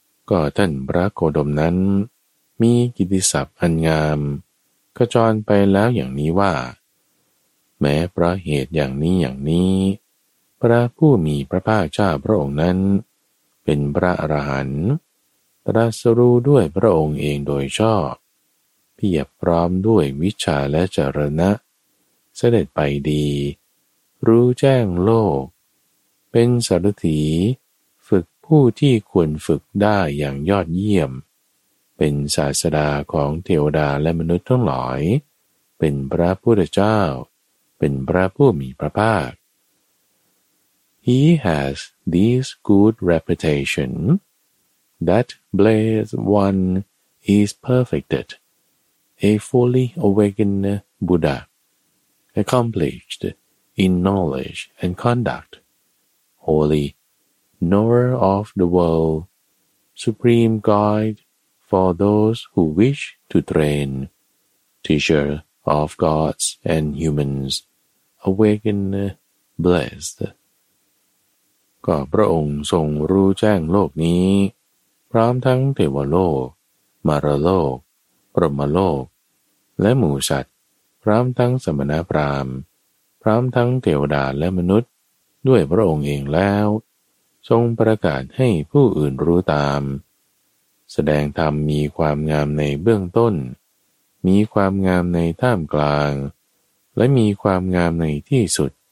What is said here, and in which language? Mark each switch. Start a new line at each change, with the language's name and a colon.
Thai: ก็ท่านพระโคดมนั้นมีกิตติศัพท์อันงามกระจอนไปแล้วอย่างนี้ว่าแม้ประเหตุอย่างนี้อย่างนี้พระผู้มีพระภาคเจ้าพระองค์นั้นเป็นพระอรหันต์ตรัสรู้ด้วยพระองค์เองโดยชอบเพียบพร้อมด้วยวิชาและจรณะเสด็จไปดี รู้แจ้งโลกเป็นสารถีฝึกผู้ที่ควรฝึกได้อย่างยอดเยี่ยมเป็นศาสดาของเทวดาและมนุษย์ทั้งหลาย ป็นพระพุทธเจ้าเป็นพระผู้มีพระภาค
English: He has this good reputation that blessed one is perfected, a fully awakened Buddha, accomplished in knowledge and conduct, holy, knower of the world, supreme guide for those who wish to train, teacher of gods and humans, awakened, blessed.
Thai: ก็พระองค์ทรงรู้แจ้งโลกนี้พร้อมทั้งเทวโลกมารโลกพรหมโลกและหมู่สัตว์พร้อมทั้งสมณพราหมณ์พร้อมทั้งเทวดาและมนุษย์ด้วยพระองค์เองแล้วทรงประกาศให้ผู้อื่นรู้ตามแสดงธรรมมีความงามในเบื้องต้นมีความงามในท่ามกลางและมีความงามในที่สุด